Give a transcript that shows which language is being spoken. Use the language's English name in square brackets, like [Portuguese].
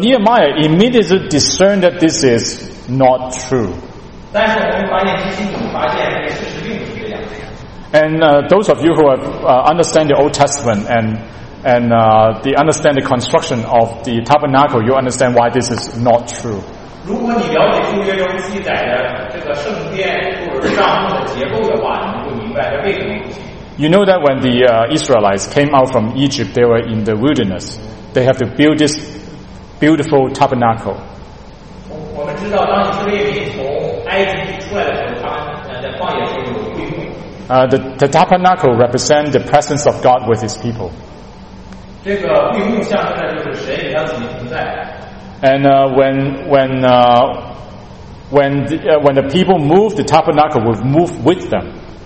[English] Nehemiah immediately discerned that this is not true. [Chinese] 但是我们发现，其实你发现这个事实并不是这样。 [English] And those of you who have understand the Old Testament and they understand the construction of the tabernacle, you understand why this is not true. [Chinese] 如果你了解旧约中记载的这个圣殿或者帐幕的结构的话，你就明白这为什么不行。 [English] You know that when the Israelites came out from Egypt, they were in the wilderness. They have to build this beautiful tabernacle. [Chinese] 我们知道，当以色列民从埃及出来的时候，他们在旷野时候有会幕。 [English] The tabernacle represents the presence of God with His people. [Chinese] 这个会幕象征的就是神与他自己同在。 [English] And when the people move, the tabernacle will move with them.